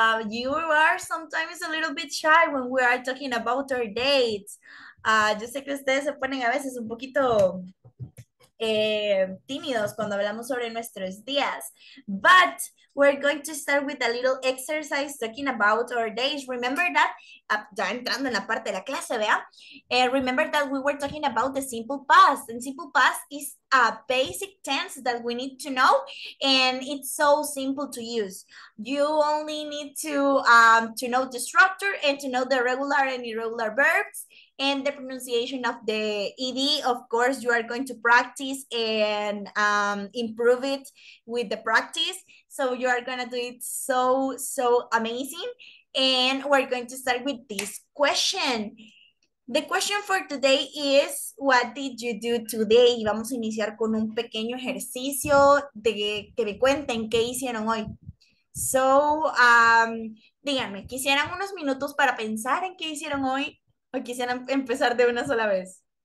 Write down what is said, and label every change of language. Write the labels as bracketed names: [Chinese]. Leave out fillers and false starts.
[English] You are sometimes a little bit shy when we are talking about our dates. [Spanish] Yo sé que ustedes se ponen a veces un poquito tímidos cuando hablamos sobre nuestros días. [English] But we're going to start with a little exercise talking about our days. Remember that, [Spanish] ya entrando en la parte de la clase, vea. [English] Remember that we were talking about the simple past. And simple past is a basic tense that we need to know. And it's so simple to use. You only need to know the structure and to know the regular and irregular verbs. And the pronunciation of the ED, of course, you are going to practice and improve it with the practice. So you are going to do it so, so amazing. And we're going to start with this question. The question for today is, what did you do today? [Spanish] Y vamos a iniciar con un pequeño ejercicio de que me cuenten qué hicieron hoy. So, díganme, ¿quisieran unos minutos para pensar en qué hicieron hoy? ¿O quisieran empezar de una sola vez?